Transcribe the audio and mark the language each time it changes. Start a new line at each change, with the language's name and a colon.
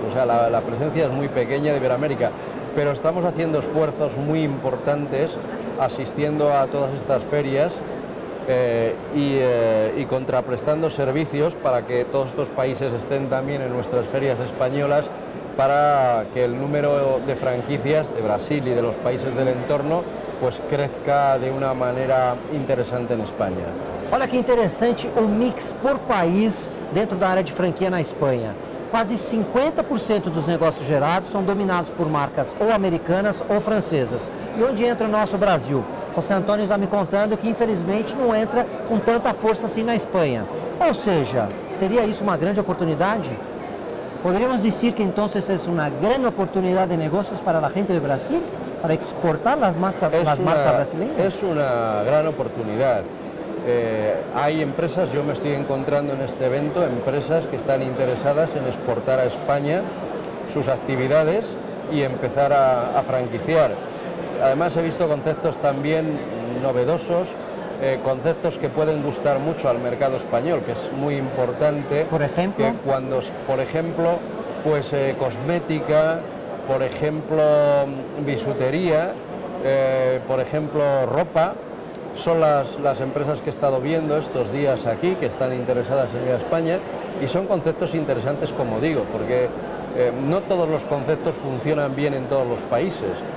Spanish: O sea, la presencia es muy pequeña de Iberoamérica, pero estamos haciendo esfuerzos muy importantes asistiendo a todas estas ferias y contraprestando servicios para que todos estos países estén también en nuestras ferias españolas, para que el número de franquicias de Brasil y de los países del entorno pues crezca de una manera interesante en España.
Portuguese: Olha que interessante o mix por país dentro da área de franquia na Espanha. Quase 50% dos negócios gerados são dominados por marcas ou americanas ou francesas. E onde entra o nosso Brasil? José Antônio está me contando que infelizmente não entra com tanta força assim na Espanha. Ou seja, seria isso uma grande oportunidade? Poderíamos dizer que então é uma grande oportunidade de negócios para a gente do Brasil, para exportar as marcas brasileiras? É uma grande oportunidade. Há empresas, eu me estou encontrando neste evento, empresas que estão interessadas em exportar a Espanha suas atividades e começar a franquiciar.
Spanish: Además, he visto conceptos também novedosos, conceptos que pueden gustar mucho al mercado español, que es muy importante. Por ejemplo, que cuando, por ejemplo, pues cosmética, por ejemplo bisutería, por ejemplo ropa, son las empresas que he estado viendo estos días aquí que están interesadas en ir a España, y son conceptos interesantes, como digo, porque no todos los conceptos funcionan bien en todos los países.